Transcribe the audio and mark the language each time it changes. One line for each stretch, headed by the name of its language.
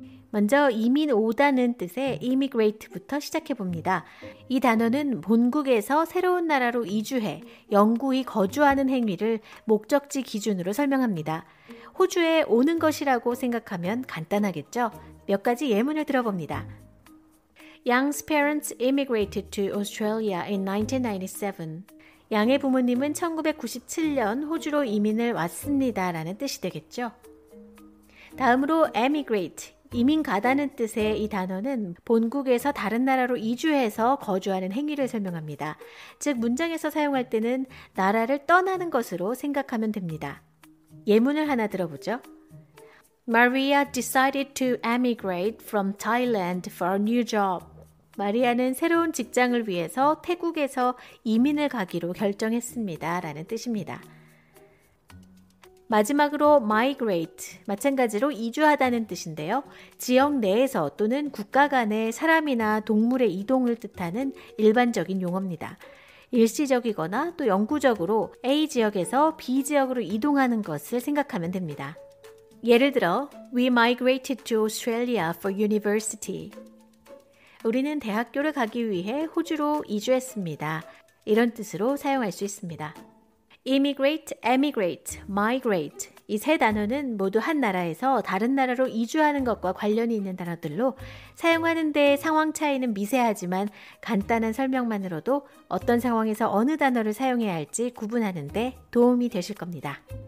Korean: 먼저 이민 오다는 뜻의 immigrate부터 시작해봅니다. 이 단어는 본국에서 새로운 나라로 이주해 영구히 거주하는 행위를 목적지 기준으로 설명합니다. 호주에 오는 것이라고 생각하면 간단하겠죠? 몇 가지 예문을 들어봅니다.
English: Yang's parents immigrated to Australia in 1997.
Korean: 양의 부모님은 1997년 호주로 이민을 왔습니다 라는 뜻이 되겠죠? 다음으로 emigrate. 이민 가다는 뜻의 이 단어는 본국에서 다른 나라로 이주해서 거주하는 행위를 설명합니다. 즉 문장에서 사용할 때는 나라를 떠나는 것으로 생각하면 됩니다. 예문을 하나 들어보죠.
English: Maria decided to emigrate from Thailand for a new job.
Korean: 마리아는 새로운 직장을 위해서 태국에서 이민을 가기로 결정했습니다. 라는 뜻입니다. 마지막으로 migrate, 마찬가지로 이주하다는 뜻인데요. 지역 내에서 또는 국가 간의 사람이나 동물의 이동을 뜻하는 일반적인 용어입니다. 일시적이거나 또 영구적으로 A 지역에서 B 지역으로 이동하는 것을 생각하면 됩니다. 예를 들어,
English: We migrated to Australia for university.
Korean: 우리는 대학교를 가기 위해 호주로 이주했습니다. 이런 뜻으로 사용할 수 있습니다. Immigrate, emigrate, migrate 이 세 단어는 모두 한 나라에서 다른 나라로 이주하는 것과 관련이 있는 단어들로 사용하는 데 상황 차이는 미세하지만 간단한 설명만으로도 어떤 상황에서 어느 단어를 사용해야 할지 구분하는 데 도움이 되실 겁니다.